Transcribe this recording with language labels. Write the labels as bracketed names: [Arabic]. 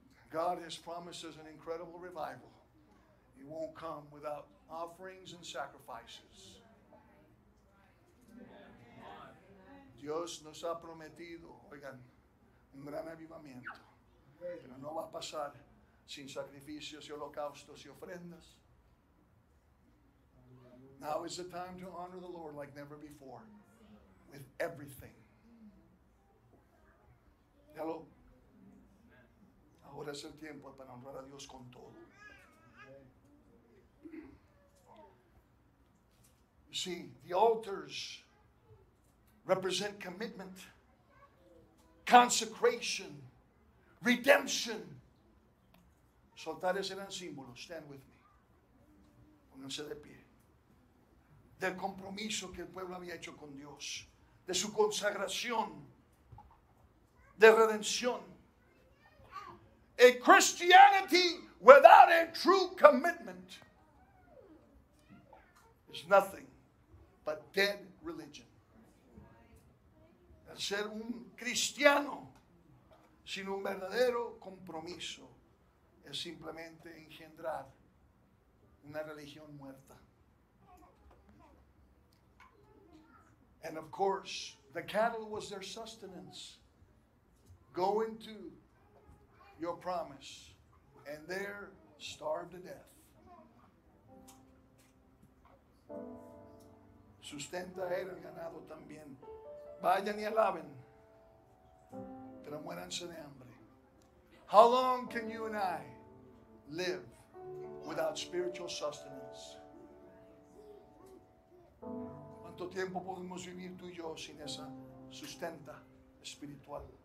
[English] God has promised us an incredible revival. It won't come without offerings and sacrifices. [Spanish] Dios nos ha prometido, oigan, un gran avivamiento, pero no va a pasar sin sacrificios y holocaustos y ofrendas. [English] Now is the time to honor the Lord like never before, with everything. Hello. [Spanish] Ahora es el tiempo para honrar a Dios con todo. [English] You see, the altars represent commitment, consecration, redemption. [Spanish] Los altares eran símbolos, [English] stand with me. [Spanish] Pónganse de pie. Del compromiso que el pueblo había hecho con Dios, de su consagración, de redención. [English] a Christianity without a true commitment is nothing but dead religion. [Spanish] El ser un cristiano sin un verdadero compromiso es simplemente engendrar una religión muerta. [English] And of course, the cattle was their sustenance. Go into your promise, and there starve to death. [Spanish] Sustenta el ganado también. Vayan y alaben, pero muéranse de hambre. [English] How long can you and I live without spiritual sustenance? [Spanish] ¿Cuánto tiempo podemos vivir tú y yo sin esa sustenta espiritual?